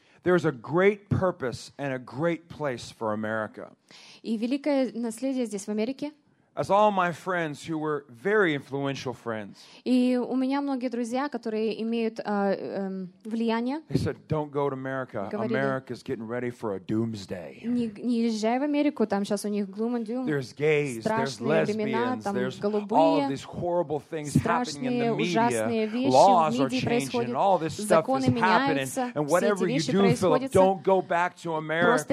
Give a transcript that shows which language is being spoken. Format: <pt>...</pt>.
<en>There's a great purpose and a great place for America.</en> <ru>И великое наследие здесь в Америке.</ru> <en>As all my friends who were very influential friends.</en> <ru>И у меня многие друзья, которые имеют влияние.</ru> <en>They said, "Don't go to America. America's getting ready for a doomsday."</en> <ru>Не езжай в Америку, там сейчас у них</ru> <en>gloom and doom. There's gays, there's lesbians, there's</en> <ru>голубые.</ru> <en>All these horrible things happening in the media.</en> <ru>Ужасные вещи.</ru> <en>Laws are changing. All this stuff is happening. And whatever you do, Philip, don't go back to America.</en>